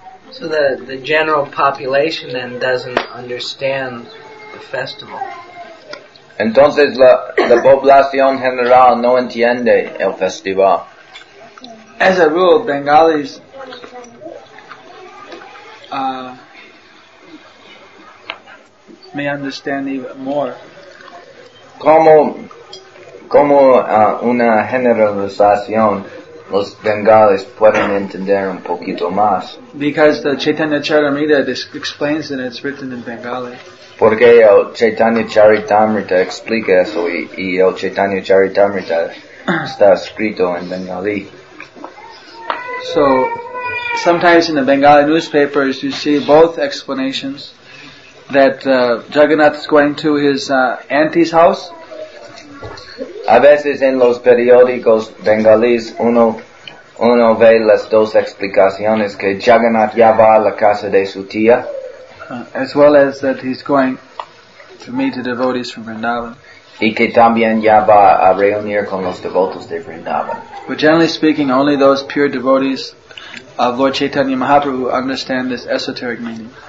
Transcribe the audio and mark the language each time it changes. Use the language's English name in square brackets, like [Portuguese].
[English] So the general population then doesn't understand the festival. [Spanish] Entonces la población general no entiende el festival. [English] As a rule, Bengalis may understand even more. [Spanish] Como una generalización, los bengales pueden entender un poquito más. [English] Because the Chaitanya Charitamrita explains it and it's written in Bengali. [Spanish] Porque el Chaitanya Charitamrita explica eso y el Chaitanya Charitamrita está escrito en Bengali. [English] So, sometimes in the Bengali newspapers you see both explanations that Jagannath is going to his auntie's house. [Spanish] A veces en los periódicos bengalíes uno ve las dos explicaciones que Jagannath ya va a la casa de su tía. [English] As well as that he's going to meet the devotees from Vrindavan. [Spanish] Y que también ya va a reunir con los devotos de Vrindavan. [English] But generally speaking, only those pure devotees of Lord Chaitanya Mahaprabhu understand this esoteric meaning.